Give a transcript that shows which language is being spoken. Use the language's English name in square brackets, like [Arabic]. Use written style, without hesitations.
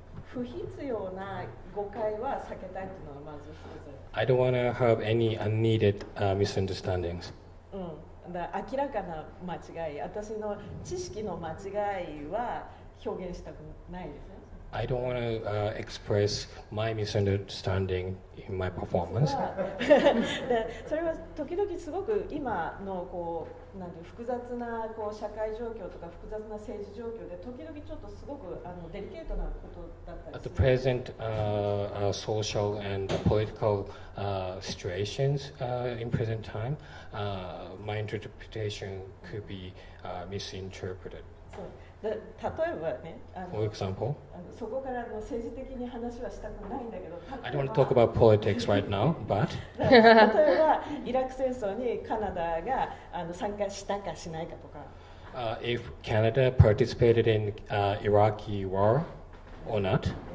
[Japanese] 不必要な誤解は避けたいというのはまず一つ。 [English] I don't want to have any unneeded misunderstandings. [Japanese] だから明らかな間違い、私の知識の間違いは表現したくないですね。 [English] I don't want to express my misunderstanding in my performance. [Japanese] それは時々すごく今のこうなんていう複雑なこう社会状況とか複雑な政治状況で時々ちょっとすごくあのデリケートなことだったりする。 [English] At the present social and political situations in present time, my interpretation could be misinterpreted. For example, I don't want to talk about politics right now, but if Canada participated in the Iraqi war or not.